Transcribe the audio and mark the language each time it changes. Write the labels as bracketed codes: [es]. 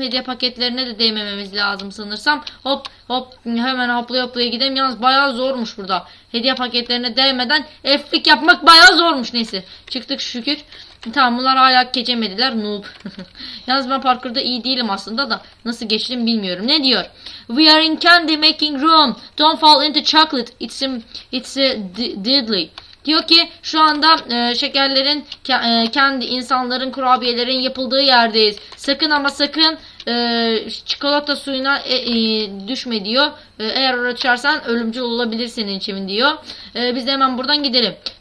[tr] Hediye paketlerine de değmememiz lazım sanırsam. Hop hop, hemen hoplaya hoplaya gidelim. Yalnız bayağı zormuş burada. Hediye paketlerine değmeden elflik yapmak bayağı zormuş, neyse. Çıktık şükür. Tamam, bunlar hala geçemediler. Noob. Yalnız ben parkurda iyi değilim aslında da. Nasıl geçtim bilmiyorum. Ne diyor? [en] We are in candy making room. Don't fall into chocolate. It's a deadly. [tr] Diyor ki şu anda şekerlerin, kendi insanların, kurabiyelerin yapıldığı yerdeyiz. Sakın ama sakın çikolata suyuna düşme diyor. Eğer uğraşarsan ölümcül olabilir senin için diyor. Biz de hemen buradan gidelim.